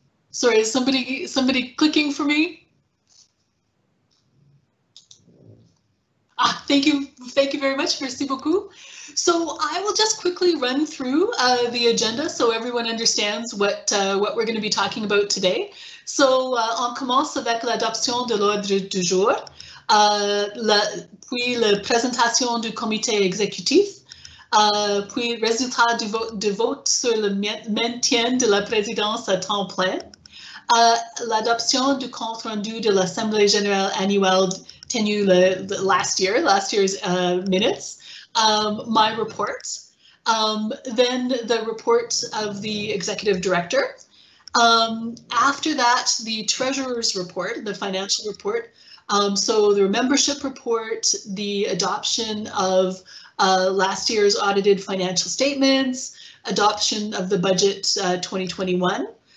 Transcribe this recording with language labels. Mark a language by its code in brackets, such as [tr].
[en] Sorry, is somebody clicking for me? Ah, thank you very much, [fr] merci beaucoup. [en] So I will just quickly run through the agenda so everyone understands what we're going to be talking about today. [fr] So on commence avec l'adoption de l'ordre du jour, puis la présentation du comité exécutif, puis résultat du vote sur le maintien de la présidence à temps plein, l'adoption du compte rendu de l'Assemblée générale annuelle tenu [en] last year's minutes, my reports, Then the report of the executive director. After that, the treasurer's report, the financial report. So the membership report, the adoption of last year's audited financial statements, adoption of the budget 2021.